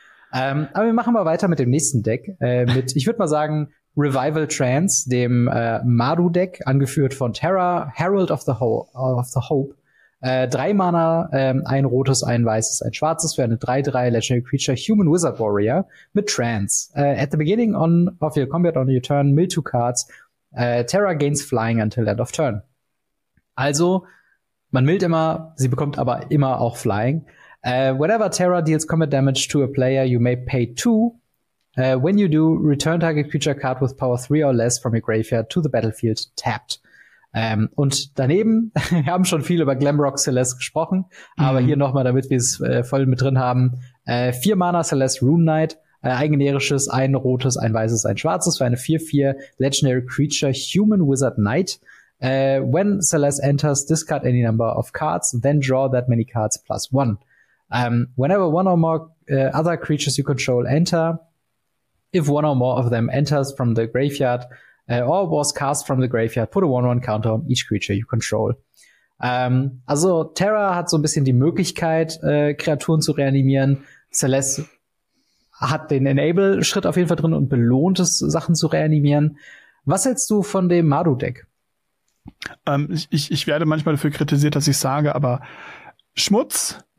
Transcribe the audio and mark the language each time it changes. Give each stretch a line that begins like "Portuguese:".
German: Aber wir machen mal weiter mit dem nächsten Deck. Ich würde mal sagen, Revival Trance, dem Madu-Deck, angeführt von Terra, Herald of the, Hope. 3 Mana, ein rotes, ein weißes, ein schwarzes für eine 3-3 Legendary Creature Human Wizard Warrior mit Trance.
English: At the beginning of your combat on your turn, mill 2 cards. Terra gains flying until end of turn.
German: Also, man millt immer, sie bekommt aber immer auch flying.
English: Whenever Terra deals combat damage to a player, you may pay 2. When you do, return target creature card with power 3 or less from your graveyard to the battlefield tapped.
German: Und daneben, wir haben schon viel über Glamrock Celeste gesprochen, aber hier nochmal, damit wir es voll mit drin haben, 4 Mana Celeste Rune Knight, ein generisches, ein rotes, ein weißes, ein schwarzes für eine 4-4 Legendary Creature Human Wizard Knight.
English: When Celeste enters, discard any number of cards, then draw that many cards plus 1. Whenever one or more other creatures you control enter, if one or more of them enters from the graveyard, or was cast from the graveyard, put a 1-1 counter on each creature you control.
German: Also Terra hat so ein bisschen die Möglichkeit, Kreaturen zu reanimieren. Celeste hat den Enable-Schritt auf jeden Fall drin und belohnt es, Sachen zu reanimieren. Was hältst du von dem Madu-Deck? Ich werde manchmal dafür kritisiert, dass ich sage, aber Schmutz.